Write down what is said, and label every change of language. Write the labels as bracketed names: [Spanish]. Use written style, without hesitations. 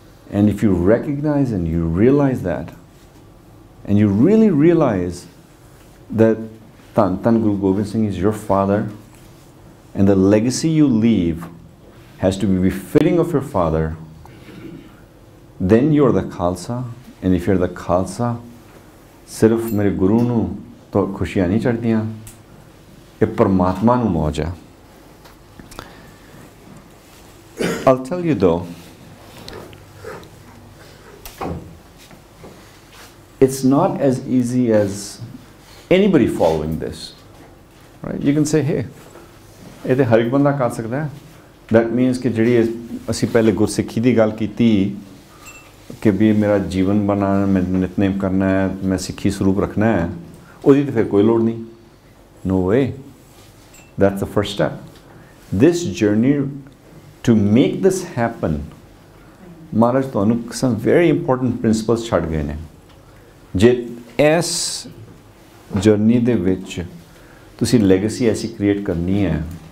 [English] and if you recognize and you realize that, and you really realize that ਧੰਨ ਧੰਨ Guru Gobind Singh is your father, and the legacy you leave has to be befitting of your father, then you are the Khalsa, and if you are the Khalsa, [Punjabi] ਸਿਰਫ ਮੇਰੇ ਗੁਰੂ ਨੂੰ ਤਾਂ ਖੁਸ਼ੀਆਂ ਨਹੀਂ ਚੜ੍ਹਦੀਆਂ, ਇਹ ਪਰਮਾਤਮਾ ਨੂੰ ਮੌਜ ਹੈ. [English] I'll tell you though, it's not as easy as anybody following this, right? You can say, hey, [Punjabi] ਇਹ ਤਾਂ ਹਰ ਇੱਕ ਬੰਦਾ ਕਰ ਸਕਦਾ [English] that means [Punjabi] ਕਿ ਜਿਹੜੀ ਅਸੀਂ ਪਹਿਲੇ ਗੁਰਸਿੱਖੀ ਦੀ ਗੱਲ ਕੀਤੀ ਕਿ ਵੀ ਮੇਰਾ ਜੀਵਨ ਬਣਾ ਮੈਂ ਨਿਤਨੇਮ ਕਰਨਾ ਹੈ ਮੈਂ ਸਿੱਖੀ ਸਰੂਪ ਰੱਖਣਾ ਹੈ ਉਹਦੀ ਤਾਂ ਫਿਰ ਕੋਈ ਲੋੜ ਨਹੀਂ [English] no way that's a first step this journey to make this happen [Punjabi] ਮਹਾਰਾਜ ਤੁਹਾਨੂੰ [English] some very important principles [Punjabi] ਛੱਡ ਗਏ ਨੇ ਜੇ ਇਸ ਜਰਨੀ ਦੇ ਵਿੱਚ ਤੁਸੀਂ ਲੈਗੇਸੀ ਐਸੀ ਕ੍ਰੀਏਟ ਕਰਨੀ ਹੈ